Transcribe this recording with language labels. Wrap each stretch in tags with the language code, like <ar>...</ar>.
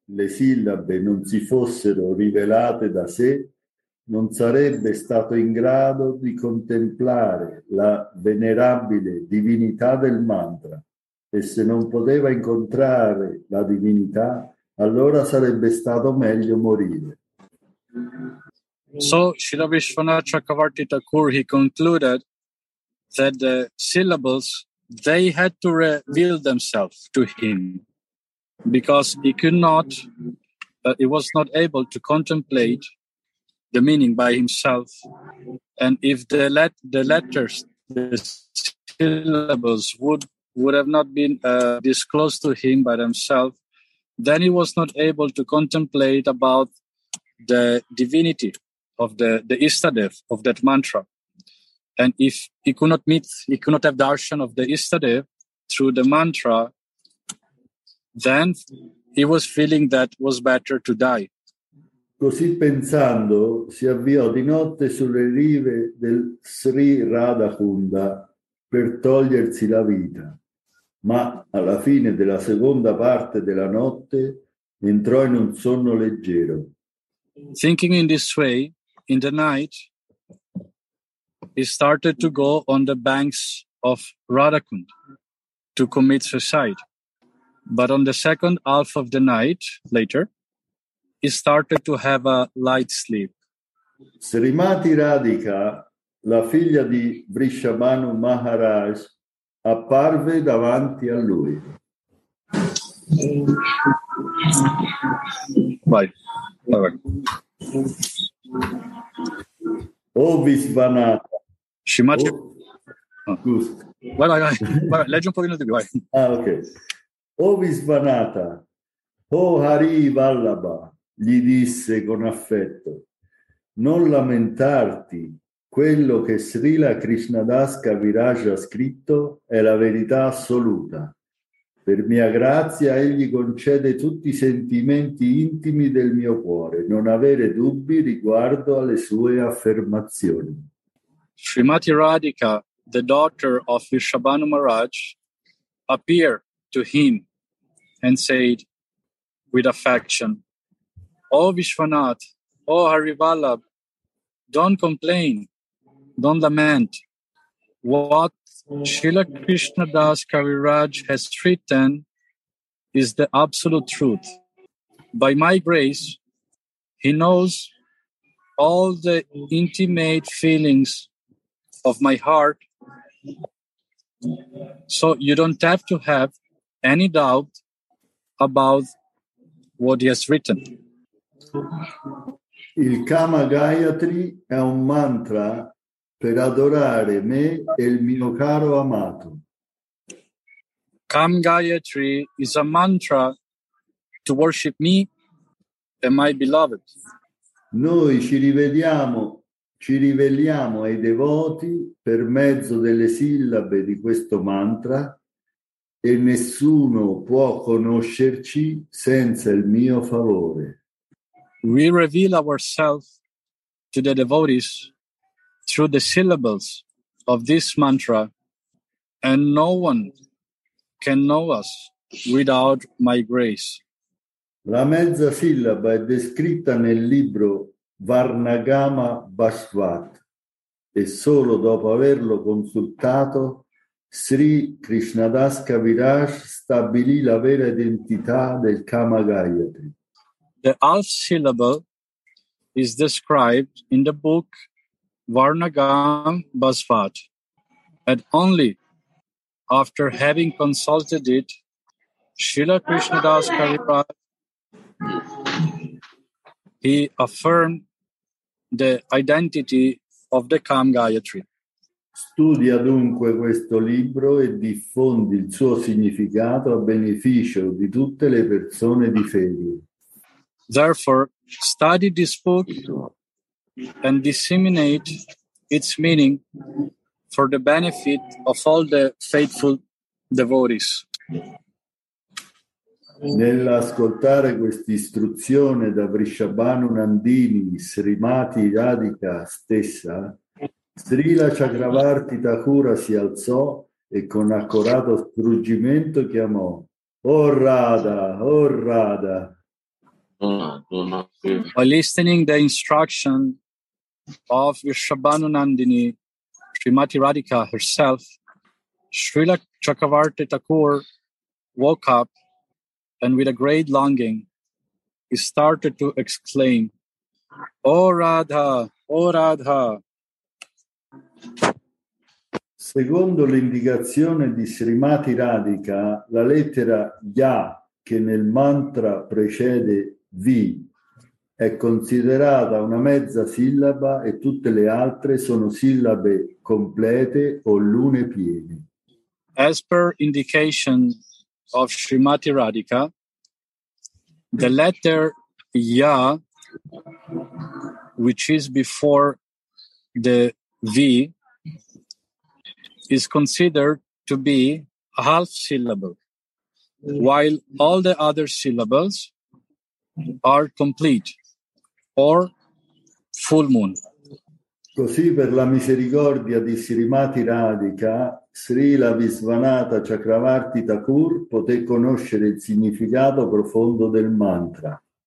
<it>le sillabe non si fossero rivelate da sé, non sarebbe stato in grado di contemplare la venerabile divinità del mantra. E se non poteva incontrare la divinità, allora sarebbe stato meglio morire.</it> <en>So Srila Vishwanatha Chakravarti Thakur, he concluded that the syllables, they had to reveal themselves to him because he could not, he was not able to contemplate the meaning by himself. And if the letters, the syllables would have not been disclosed to him by themselves, then he was not able to contemplate about the divinity of the Ishtadev of that mantra. And if he could not meet, he could not have darshan of the Ishtadev through the mantra, then he was feeling that was better to die.</en> <it>Così pensando, si avviò di notte sulle rive del Sri Radhakunda per togliersi la vita. Ma alla fine della seconda parte della notte entrò in un sonno leggero.</it> <en>Thinking in this way, in the night, he started to go on the banks of Radhakund to commit suicide. But on the second half of the night, later, he started to have a light sleep.</en> <it>Srimati Radhika, la figlia di Vrishabhanu Maharaj, apparve davanti a lui. Vai. Vai. Oh Visvanatha. Srimati. Vai. Leggi un pochino di più, vai. Ah, ok. Oh Visvanatha. Oh Hari Vallabha, gli disse con affetto. Non lamentarti. Quello che Srila Krishnadas Kaviraj ha scritto è la verità assoluta. Per mia grazia egli concede tutti i sentimenti intimi del mio cuore, non avere dubbi riguardo alle sue affermazioni.</it> <en>Srimati Radhika, the daughter of Vrishabhanu Maharaj, appeared to him and said with affection, O Vishwanath, O Harivallabh, don't complain. Don't lament. What Srila Krishna Das Kaviraj has written is the absolute truth. By my grace, he knows all the intimate feelings of my heart. So you don't have to have any doubt about what he has written.</en> <it>Il Kama Gayatri è un mantra per adorare me e il mio caro amato.</it> <en>Kam Gayatri is a mantra to worship me and my beloved.</en> <it>Noi ci riveliamo ai devoti per mezzo delle sillabe di questo mantra e nessuno può conoscerci senza il mio favore.</it> <en>We reveal ourselves to the devotees through the syllables of this mantra, and no one can know us without my grace.</en> <it>La mezza sillaba è descritta nel libro Varnagama Basvat, e solo dopo averlo consultato, Sri Krishnadas Kaviraj stabilì la vera identità del Kama Gayatri.</it> <en>The half syllable is described in the book Varnagam Basvat, and only after having consulted it, Srila Krishnadas Kaviraj, he affirmed the identity of the Kam Gayatri.</en> <it>Studia dunque questo libro e diffondi il suo significato a beneficio di tutte le persone di fede.</it> <en>Therefore, study this book and disseminate its meaning for the benefit of all the faithful devotees.</en> <it>Nell'ascoltare questa istruzione da Vrishabhanu Nandini, Srimati Radhika stessa, Srila Chakravarti Thakura si alzò e con accorato struggimento chiamò: Oh Radha, oh Radha!</it> <en>By listening the instruction of Vrishabhanu Nandini, Srimati Radhika herself, Srila Chakravarti Thakur woke up and with a great longing, he started to exclaim, "Oh Radha, oh Radha!"</en> <it>Secondo l'indicazione di Srimati Radhika, la lettera Ya, che nel mantra precede Vi, è considerata una mezza sillaba e tutte le altre sono sillabe complete o lune piene.</it> <en>As per indication of Srimati Radhika, the letter Ya, which is before the V, is considered to be a half syllable, while all the other syllables are complete or full moon.</en> <it>Così per la misericordia di Srimati Radhika, Srila Visvanatha Chakravarti Thakur poté conoscere il significato profondo del mantra.</it>